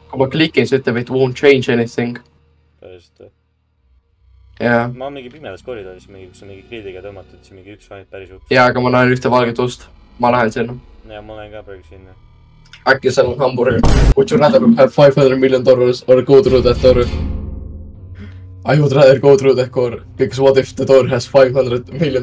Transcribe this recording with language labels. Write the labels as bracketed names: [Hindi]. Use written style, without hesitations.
[Estonian] Kui ma klikin, see ütleb, [English] it won't change anything. [Estonian] Päriselt või? Jah. Ma olen mingi pimedas koridoris, kus on mingi kriidiga tõmmatud, see mingi üks vahit päris uks. Jah, aga ma näen ühte valget ust. Ma lähen sinna. Jah, ma lähen ka praegu sinna. Äkki seal on hamburger. [English] Would you rather have $500 million or go through that door? I would rather go through that door, because what if the door has $500 million?